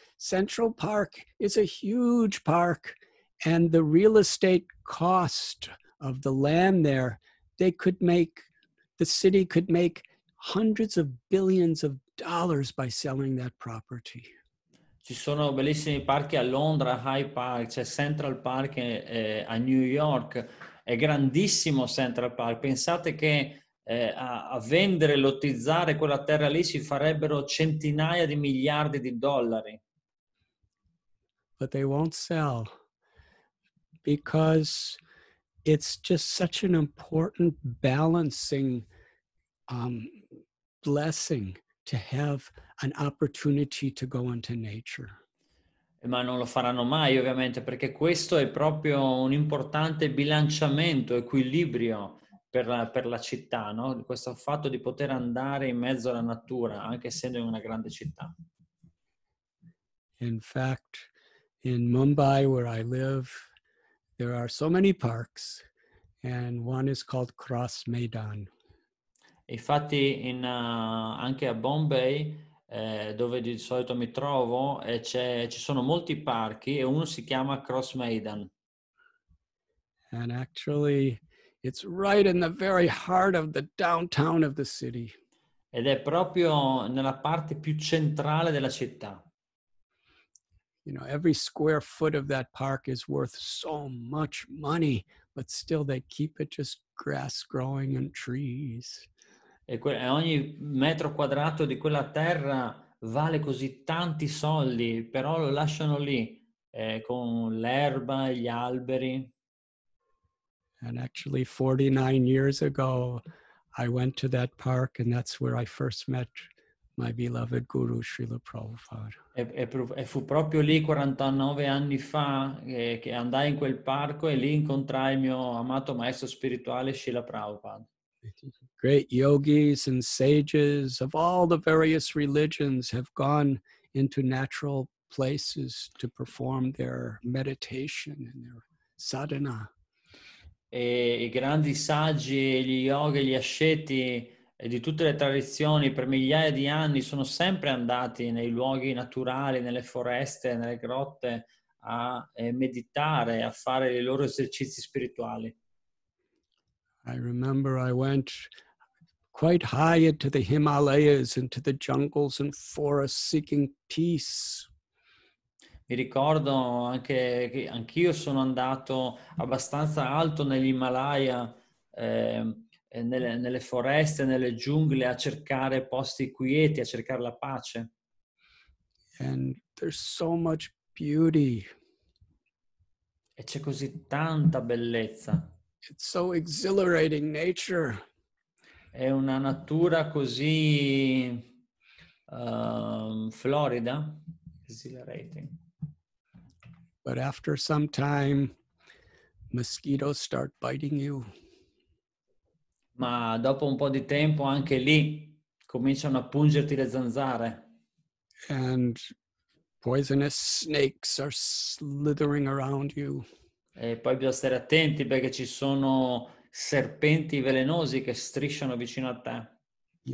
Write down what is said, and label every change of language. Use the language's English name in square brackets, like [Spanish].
[English] Central Park is a huge park, and the real estate cost of the land there, the city could make hundreds of billions of dollars by selling that property. [Italian] Ci sono bellissimi parchi a Londra, Hyde Park, c'è Central Park a New York. È grandissimo Central Park. Pensate che a vendere, lottizzare quella terra lì si farebbero centinaia di miliardi di dollari. [English] But they won't sell because it's just such an important balancing blessing to have an opportunity to go into nature. [Italian] Ma non lo faranno mai, ovviamente, perché questo è proprio un importante bilanciamento, equilibrio per la città, no? Questo fatto di poter andare in mezzo alla natura, anche essendo in una grande città. [English] In fact, in Mumbai, where I live, there are so many parks, and one is called Cross Maidan. [Italian] Infatti, anche a Bombay, dove di solito mi trovo, ci sono molti parchi e uno si chiama Cross Maidan. [English] And actually, it's right in the very heart of the downtown of the city. [Italian] Ed è proprio nella parte più centrale della città. [English] You know, every square foot of that park is worth so much money, but still they keep it just grass growing and trees. [Italian] E ogni metro quadrato di quella terra vale così tanti soldi, però lo lasciano lì, con l'erba, gli alberi. [English] And actually 49 years ago I went to that park, and that's where I first met my beloved guru Srila Prabhupada. [Italian] E fu proprio lì 49 anni fa che andai in quel parco e lì incontrai il mio amato maestro spirituale Srila Prabhupada. [English] Great yogis and sages of all the various religions have gone into natural places to perform their meditation and their sadhana. [Italian] E i grandi saggi, gli yogi, gli asceti di tutte le tradizioni per migliaia di anni sono sempre andati nei luoghi naturali, nelle foreste, nelle grotte a meditare, a fare i loro esercizi spirituali. [English] I remember I went quite high into the Himalayas, into the jungles and forests, seeking peace. [Italian] Mi ricordo anche che anch'io sono andato abbastanza alto nell'Himalaya, nelle foreste, nelle giungle, a cercare posti quieti, a cercare la pace. [English] And there's so much beauty. [Italian] E c'è così tanta bellezza. [English] It's so exhilarating, nature. [Italian] È una natura così florida. Exhilarating. [English] But after some time, mosquitoes start biting you. [Italian] Ma dopo un po' di tempo anche lì cominciano a pungerti le zanzare. [English] And poisonous snakes are slithering around you. [Italian] E poi bisogna stare attenti perché ci sono serpenti velenosi che strisciano vicino a te.